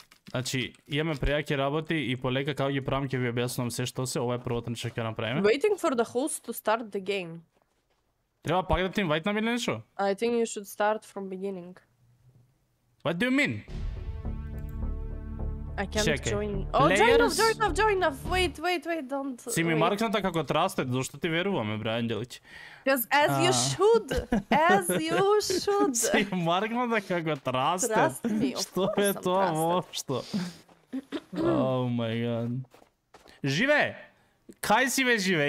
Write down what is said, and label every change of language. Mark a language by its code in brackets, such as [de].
[mk] Значи, имаме пријаки работи и полека како ги правам ќе ви објаснувам се што се, ова е првото нешто ќе направиме. [en] Waiting for the host to start the game. [mk] Треба пак да ти инвајтнам или нешто? [en] I think you should start from beginning. What do you mean? I can't [mk] Чекай. [en] Join. Oh, Players... join up. Wait, don't. [mk] Си ми маркната како трасте, зошто ти веруваме, бра Анđелич? [en] Because as you should. As you should. [mk] Си маркната како трасте. [en] Trust me, of [mk] Што е тоа воопшто? [en] Oh my god. [mk] Живе! Кај си бе живе?